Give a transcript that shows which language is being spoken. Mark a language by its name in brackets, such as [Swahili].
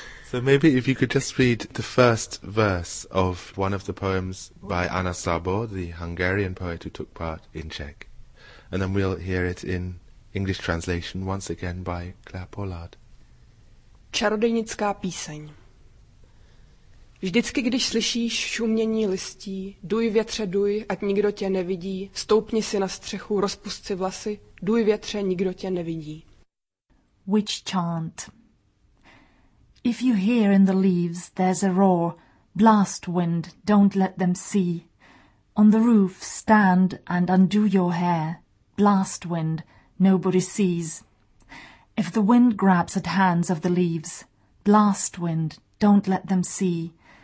[English] So maybe if you could just read the first verse of one of the poems by Anna Sabo, the Hungarian poet who took part in Czech. And then we'll hear it in English translation once again by Claire Pollard. [Czech] Čarodejnická píseň. Vždycky, když slyšíš šumění listí, duj větře, duj, ať nikdo tě nevidí, stoupni si na střechu, rozpust si vlasy, duj větře, nikdo tě nevidí. [English] Witch chant. If you hear in the leaves there's a roar, blast wind, don't let them see. On the roof stand and undo your hair, blast wind, nobody sees. If the wind grabs at hands of the leaves, blast wind, don't let them see.